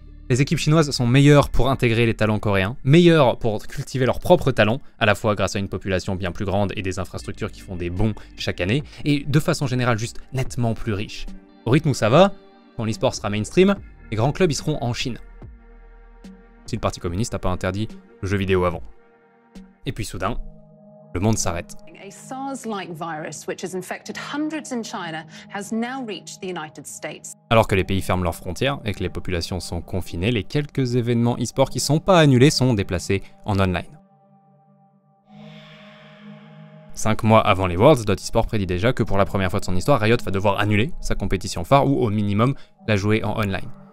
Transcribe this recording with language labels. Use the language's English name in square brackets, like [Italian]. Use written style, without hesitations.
[French] Les équipes chinoises sont meilleures pour intégrer les talents coréens, meilleures pour cultiver leurs propres talents, à la fois grâce à une population bien plus grande et des infrastructures qui font des bons chaque année, et de façon générale juste nettement plus riches. Au rythme où ça va, quand l'e-sport sera mainstream, les grands clubs y seront en Chine. Si le Parti communiste n'a pas interdit le jeu vidéo avant. Et puis soudain, le monde s'arrête. [English] A SARS-like virus, which has infected hundreds in China, has now reached the United States. [French] Alors que les pays ferment leurs frontières et que les populations sont confinées, les quelques événements e-sport qui sont pas annulés sont déplacés en online. 5 mois avant les Worlds, Dot eSport prédit déjà que pour la première fois de son histoire, Riot va devoir annuler sa compétition phare ou au minimum la jouer en online.